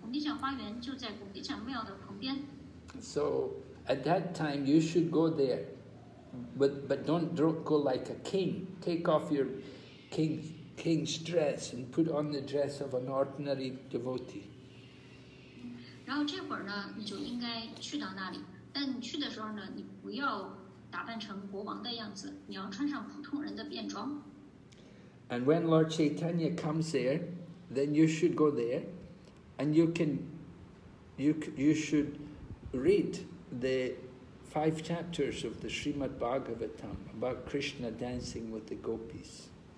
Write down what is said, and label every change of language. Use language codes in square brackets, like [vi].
[zh] Gundicha 花园就在 Gundicha 庙的旁边。 [en] So at that time, you should go there. But don't go like a king. Take off your king's dress and put on the dress of an ordinary devotee. [zh] 然后这会儿呢，你就应该去到那里。但你去的时候呢，你不要打扮成国王的样子，你要穿上普通人的便装。 [en] And when Lord Chaitanya comes there, then you should go there, and you should read the. Five chapters of the Srimad Bhagavatam about Krishna dancing with the gopis.